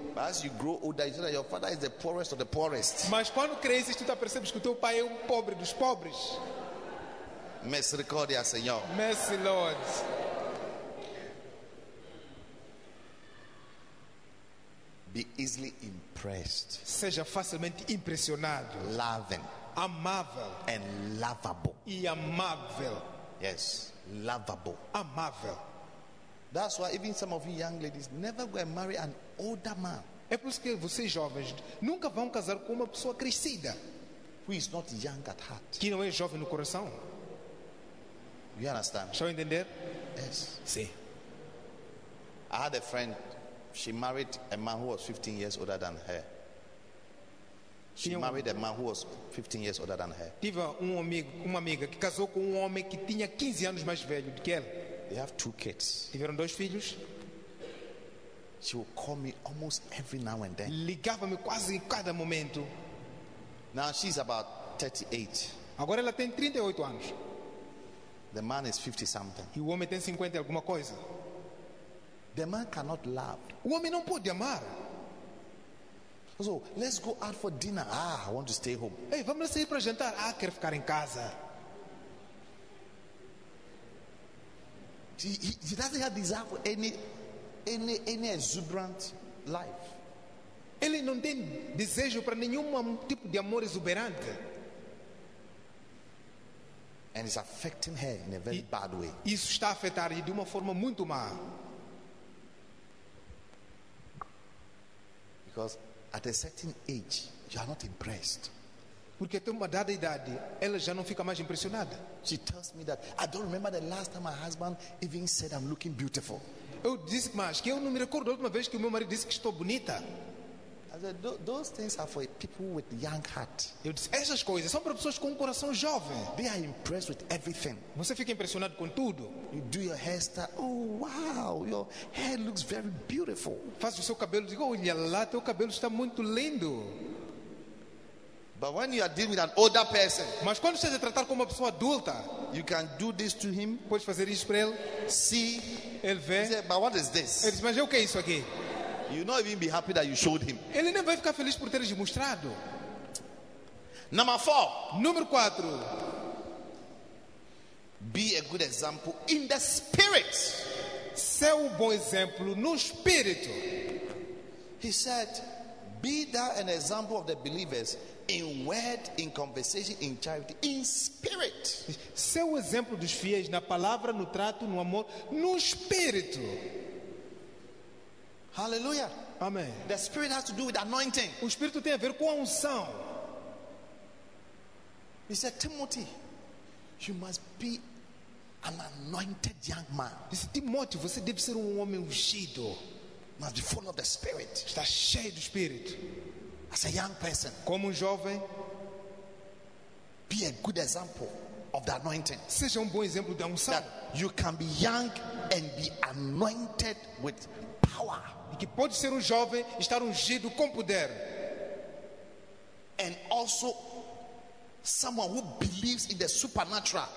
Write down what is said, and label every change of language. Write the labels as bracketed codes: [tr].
[en] But as you grow older, you said your father is the poorest of the poorest. [pt] Mas quando cresces, tu te apercebes que teu pai é pobre dos pobres. Misericórdia, Senhor. [en] Mercy, Lord. Be easily impressed. [pt] Seja facilmente impressionado. [en] Loving. [pt] Amável. [en] And lovable. [pt] E amável. [en] Yes, lovable. [pt] Amável. [en] That's why even some of you young ladies never go and marry an older man. [pt] É por isso que vocês jovens nunca vão casar com uma pessoa crescida. [en] Who is not young at heart. [pt] Que não é jovem no coração. [en] You understand? Shall we entender? Yes. [pt] Sim. [en] I had a friend. She married a man who was 15 years older than her. She married a man who was 15 years older than her. [pt] Tive uma amiga que casou com homem que tinha 15 anos mais velho do que ela. [en] They have two kids. [pt] Tiveram dois filhos. [en] She would call me almost every now and then. [pt] Ligava-me quase em cada momento. [en] Now she's about 38. [pt] Agora ela tem 38 anos. [en] The man is 50 something. [pt] E o homem tem 50 alguma coisa. [en] The man cannot love. [pt] O homem não pode amar. [en] So, let's go out for dinner. Ah, I want to stay home. [pt] Hey, vamos sair para jantar. Ah, quero ficar em casa. [en] He doesn't have desire for any exuberant life. [pt] Ele não tem desejo para nenhum tipo de amor exuberante. [en] And it's affecting her in a very bad way. [pt] Isso está a afetar-lhe de uma forma muito má. [en] Because at a certain age, you are not impressed. [pt] Porque até uma dada idade, ela já não fica mais impressionada. [en] She tells me that I don't remember the last time my husband even said I'm looking beautiful. [pt] Eu disse mais que eu não me recordo da última vez que o meu marido disse que estou bonita. [en] I said those things are for people with young heart. [pt] Eu disse essas coisas são para pessoas com um coração jovem. [en] They are impressed with everything. [pt] Você fica impressionado com tudo. [en] You do your hairstyle. Oh wow, your hair looks very beautiful. [pt] Faz o seu cabelo. Digo, olha lá, teu cabelo está muito lindo. [en] But when you are dealing with an older person, [pt] mas quando você está a tratar com uma pessoa adulta, [en] you can do this to him. [pt] Podes fazer isso para ele. [en] See, [pt] ele vê. [en] He said, but what is this? [pt] Ele diz, mas o que é isso aqui? [en] You not even be happy that you showed him. [pt] Ele não vai ficar feliz por teres mostrado. [en] Number 4. [pt] Número 4. [en] Be a good example in the spirit. [pt] Seja bom exemplo no espírito. [en] He said, be thou an example of the believers in word, in conversation, in charity, in spirit. [pt] Seja o exemplo dos fiéis na palavra, no trato, no amor, no espírito. [en] Hallelujah. [pt] Amen. [en] The spirit has to do with anointing. [pt] O espírito tem a ver com a unção. [en] He said, Timothy, you must be an anointed young man. He said, [pt] Timothy, você deve ser homem ungido. [en] Must be full of the spirit. [pt] Está cheio do espírito. [en] As a young person. [pt] Como jovem. [en] Be a good example of the anointing. [pt] Seja bom exemplo da unção. [en] That you can be young and be anointed with power. [pt] Que pode ser jovem e estar ungido com poder. [en] And also someone who believes in the supernatural.